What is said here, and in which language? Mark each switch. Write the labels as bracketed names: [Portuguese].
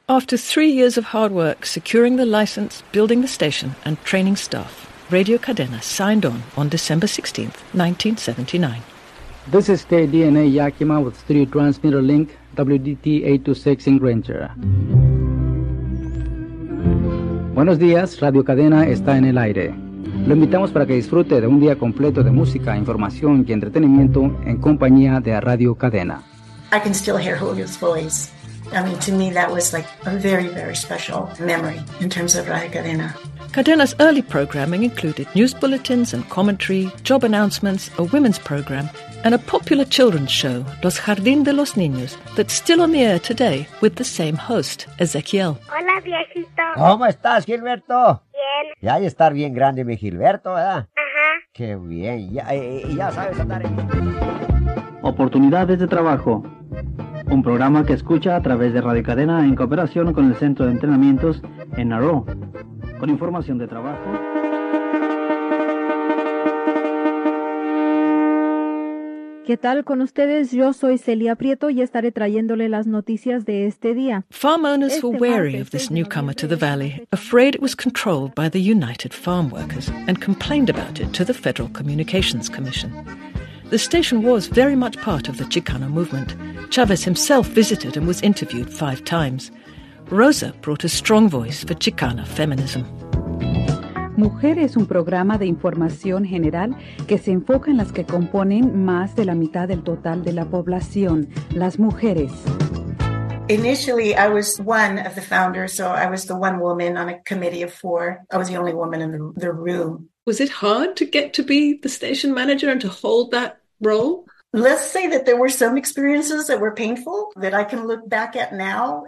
[English] After 3 years of hard work, securing the license, building the station and training staff, Radio Cadena signed on December 16th, 1979. This is KDNA Yakima with 3 transmitter link, WDT 826 in Granger. [Spanish] Buenos días, Radio Cadena está en el aire. Lo invitamos para que disfrute de un día completo de música, información y entretenimiento en compañía de Radio Cadena. [English] I can still hear Julio's voice. I mean, to me, that was like a very, very special memory in terms of Radio Cadena. Cadena's early programming included news bulletins and commentary, job announcements, a women's program, and a popular children's show, Los Jardín de los Niños, that's still on the air today with the same host, Ezequiel. [Spanish] Hola, viejito. ¿Cómo estás, Gilberto? Bien. Ya hay estar bien grande, mi Gilberto, ¿verdad? Ajá. Qué bien. Ya sabes andar en... Oportunidades de trabajo. Un programa que escucha a través de Radio Cadena en cooperación con el Centro de Entrenamientos en Naro. Con información de trabajo. ¿Qué tal con ustedes? Yo soy Celia Prieto y estaré trayéndole las noticias de este día. [English] Farm owners were wary of this newcomer to the valley, afraid it was controlled by the United Farm Workers, and complained about it to the Federal Communications Commission. The station was very much part of the Chicano movement. Chavez himself visited and was interviewed 5 times. Rosa brought a strong voice for Chicana feminism. [Spanish] Mujer es un programa de información general que se enfoca en las que componen más de la mitad del total de la población, las mujeres. [English] Initially, I was one of the founders, so I was the one woman on a committee of four. I was the only woman in the room. Was it hard to get to be the station manager and to hold that role? Let's say that there were some experiences that were painful that I can look back at now.